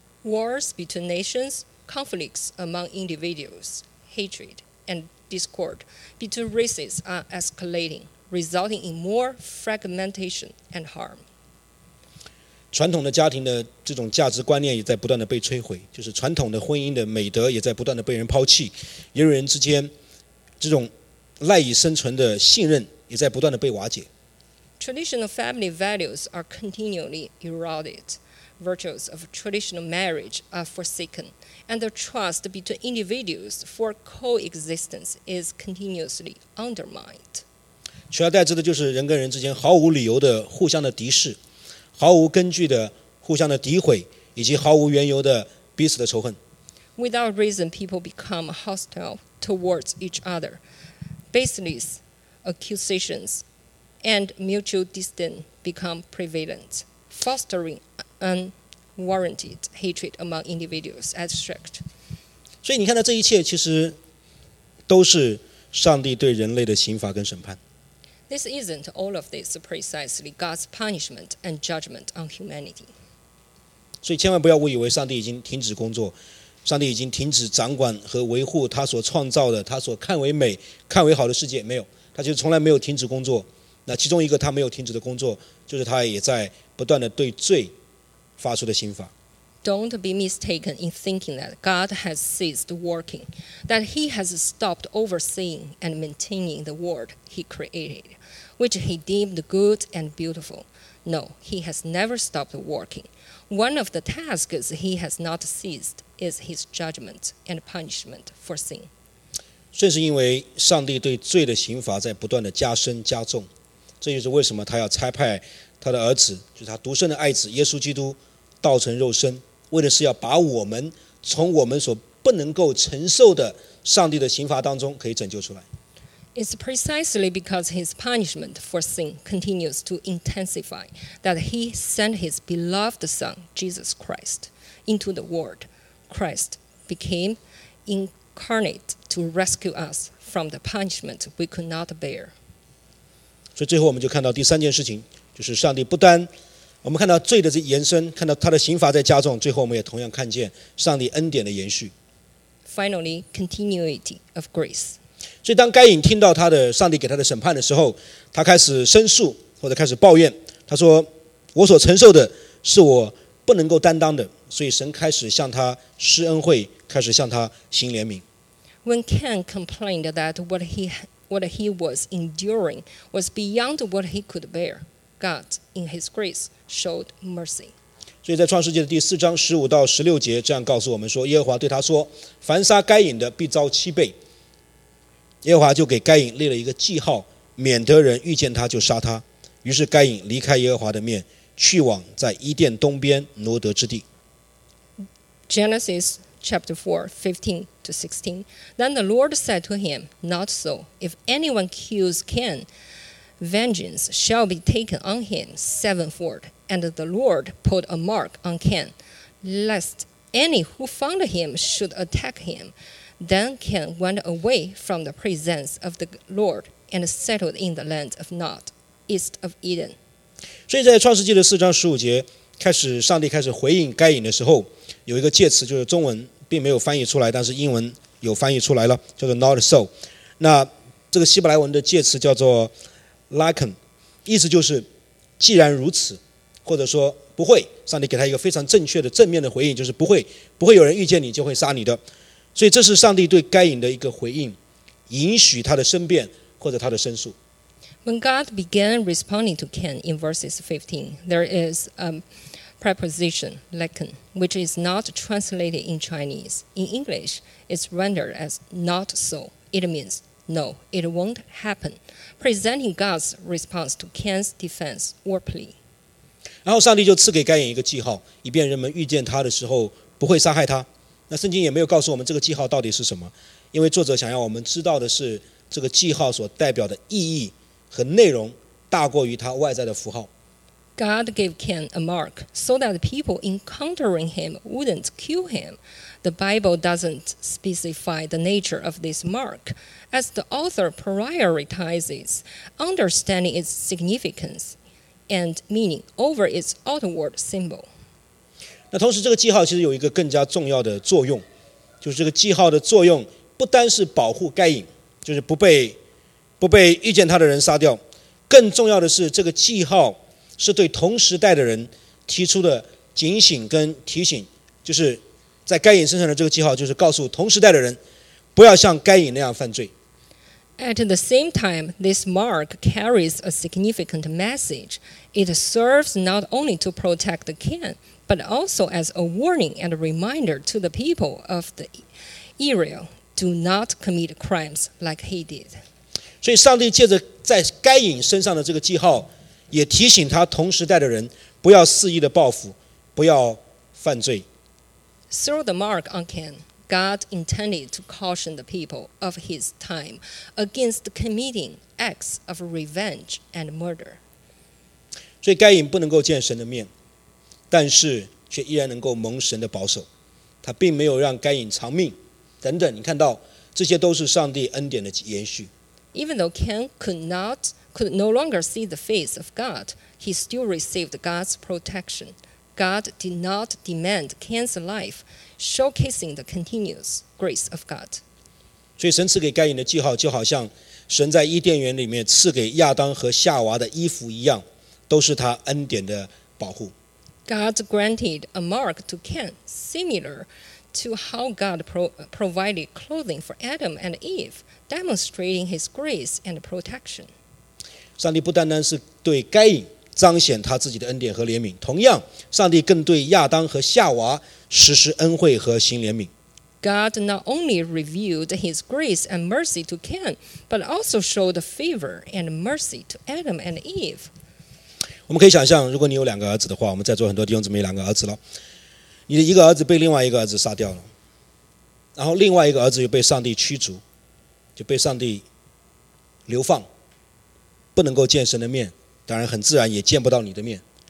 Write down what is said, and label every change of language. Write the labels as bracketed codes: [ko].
[en] Wars between nations, conflicts among individuals, hatred and discord between races are escalating, resulting in more fragmentation and harm. [zh] 传统的家庭的这种价值观念也在不断的被摧毁，就是传统的婚姻的美德也在不断的被人抛弃，人与人之间这种赖以生存的信任也在不断的被瓦解。 [en] Traditional family values are continually eroded. Virtues of traditional marriage are forsaken, and the trust between individuals for coexistence is continuously undermined. [zh] 取而代之的就是人跟人之间毫无理由的互相的敌视，毫无根据的互相的诋毁，以及毫无缘由的彼此的仇恨。 [en] Without reason, people become hostile. Towards each other, baseless accusations and mutual distance become prevalent, fostering unwarranted hatred among individuals abstract. [zh] 所以你看到这一切其实都是上帝对人类的刑罚跟审判。 [en] This isn't all of this precisely God's punishment and judgment on humanity. [zh] 所以千万不要误以为上帝已经停止工作。上帝已经停止掌管和维护他所创造的他所看为美看为好的世界，没有，他就从来没有停止工作。那其中一个他没有停止的工作，就是他也在不断的对罪发出的刑罚。 [en] Don't be mistaken in thinking that God has ceased working, that he has stopped overseeing and maintaining the world he created, which he deemed good and beautiful. No, he has never stopped workingOne of the tasks he has not ceased is his judgment and punishment for sin. [zh] 正是因为上帝对罪的刑罚在不断的加深加重，这就是为什么他要差派他的儿子，就是他独生的爱子耶稣基督，道成肉身，为的是要把我们从我们所不能够承受的上帝的刑罚当中可以拯救出来。 [en] It's precisely because his punishment for sin continues to intensify that he sent his beloved son, Jesus Christ, into the world. Christ became incarnate to rescue us from the punishment we could not bear. [zh] 所以最后我们就看到第三件事情，就是上帝不单，我们看到罪的延伸，看到他的刑罚在加重，最后我们也同样看见上帝恩典的延续。 [en] Finally, continuity of grace. [zh] 所以当该隐听到他的上帝给他的审判的时候，他开始申诉或者开始抱怨，他说我所承受的是我不能够担当的，所以神开始向他施恩惠，开始向他行怜悯。 [en] When Cain complained that what he was enduring was beyond what he could bear, God, in His grace, showed mercy. [zh] 所以在创世纪的第四章十五到十六节，这样告诉我们说，耶和华对他说：“凡杀该隐的，必遭七倍。” 耶和华就给该隐立了一个记号，免得人遇见他就杀他。于是该隐离开耶和华的面，去往在伊甸东边挪得之地。 [en] Genesis chapter 4:15 to 16. Then the Lord said to him, Not so. If anyone kills Cain, vengeance shall be taken on him sevenfold. And the Lord put a mark on Cain, lest any who found him should attack him. Then Cain went away from the presence of the Lord and settled in the land of Nod, east of Eden. [zh] 所以在创世纪的四章十五节开始，上帝开始回应该隐的时候，有一个介词，就是中文并没有翻译出来，但是英文有翻译出来了，叫做 [en] not so。 [zh] 那这个希伯来文的介词叫做 lacken， 意思就是既然如此，或者说不会，上帝给他一个非常正确的正面的回应，就是不会，不会有人遇见你就会杀你的。所以这是上帝对该隐的一个回应，允许他的申辩或者他的申诉。 [en] When God began responding to Cain in verses 15, there is a preposition, lacken, which is not translated in Chinese. In English, it's rendered as not so. It means no, it won't happen, presenting God's response to Cain's defense or plea. [zh] 然后上帝就赐给该隐一个记号，以便人们遇见他的时候不会杀害他。那圣经也没有告诉我们这个记号到底是什么，因为作者想要我们知道的是这个记号所代表的意义和内容大过于它外在的符号。 [en] God gave Cain a mark so that people encountering him wouldn't kill him. The Bible doesn't specify the nature of this mark. As the author prioritizes understanding its significance and meaning over its outward symbol. [zh] 那同时这个记号其实有一个更加重要的作用，就是这个记号的作用不单是保护该隐，就是不被遇见他的人杀掉，更重要的是这个记号是对同时代的人提出的警醒跟提醒，就是在该隐身上的这个记号就是告诉同时代的人不要像该隐那样犯罪。 [en] At the same time, this mark carries a significant message. It serves not only to protect Cain, but also as a warning and a reminder to the people of the Israel, do not commit crimes like he did. [zh] 所以上帝借着在该隐身上的这个记号也提醒他同时代的人不要肆意的报复，不要犯罪。 [en] Through the mark on Cain, God intended to caution the people of his time against committing acts of revenge and murder. [zh] 所以该隐不能够见神的面，但是却依然能够蒙神的保守，他并没有让该隐偿命等等。你看到这些都是上帝恩典的延续。 [en] Even though Cain could no longer see the face of God, he still received God's protection. God did not demand Cain's life, showcasing the continuous grace of God. [zh] 所以神赐给该隐的记号就好像神在伊甸园里面赐给亚当和夏娃的衣服一样，都是他恩典的保护。 [en] God granted a mark to Cain, similar to how God provided clothing for Adam and Eve, demonstrating his grace and protection. [zh] 上帝不单单是对该隐彰显他自己的恩典和怜悯，同样上帝更对亚当和夏娃实施恩惠和行怜悯。 [en] God not only revealed his grace and mercy to Cain, but also showed favor and mercy to Adam and Eve. [zh] 我们可以想象，如果你有两个儿子的话，我们在座很多弟兄姊妹两个儿子了，你的一个儿子被另外一个儿子杀掉了，然后另外一个儿子又被上帝驱逐，就被上帝流放，不能够见神的面，当然很自然也见不到你的面。